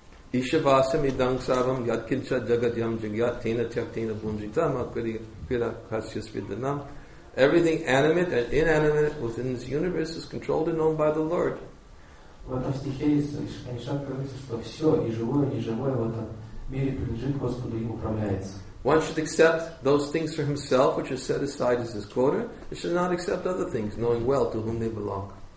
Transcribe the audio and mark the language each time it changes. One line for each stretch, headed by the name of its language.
Sanskrit: Ishavasam idang sarvam yadkincha jagadyam jagyat tena tyaktena bunjita makvira kasyas vidhanam.
English: Everything animate and inanimate within this universe is controlled and owned by the Lord.
Russian: В этом стихе что все, и живое, и неживое в этом мире принадлежит Господу и управляется.
English: One should accept those things for himself which are set aside as his quota, and should not accept other things, knowing well to whom they belong.